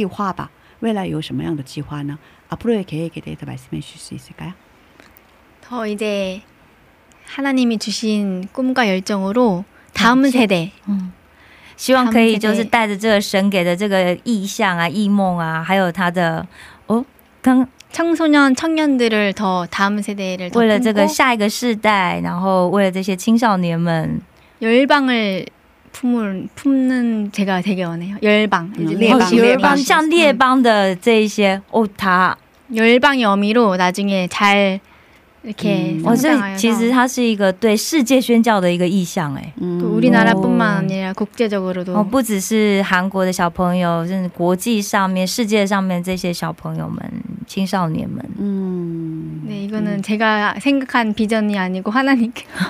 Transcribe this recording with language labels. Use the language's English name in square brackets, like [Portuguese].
[Chinese] 传道士果然是真的是儿童主日学传道士，很不一样，没错，一出手就是专业，对，很关心小孩，很关心小孩，所以很不一样。所以传道士未来有应该有计划吧，未来有什么样的计划呢？ [Korean] 앞으로의 계획에 대해서 말씀해 주실 수 있을까요? 더 이제 하나님이 주신 꿈과 열정으로 다음 세대 [Chinese] 希望可以就是带着这个神给的这个意向啊，异梦啊，还有他的哦，跟青少年、 [Korean] 青年들을 더 다음 세대를 [Chinese] 为了这个下一个世代，然后为了这些青少年们 [Korean] 열방을 품는 제가 되게 원해요. 열방, [Chinese] 열방, 像 列邦的这些哦，他 [Korean] 열방의 의미로 나중에 잘 이렇게 [Chinese] 我是其实它是一个对世界宣教的一个意向，哎，또 [Korean] 우리나라뿐만 아니라 국제적으로도 [Chinese] 不只是韩国的小朋友，是国际上面、世界上面这些小朋友们、青少年们。嗯，네 [Korean] 이거는 제가 생각한 비전이 아니고 하나님께.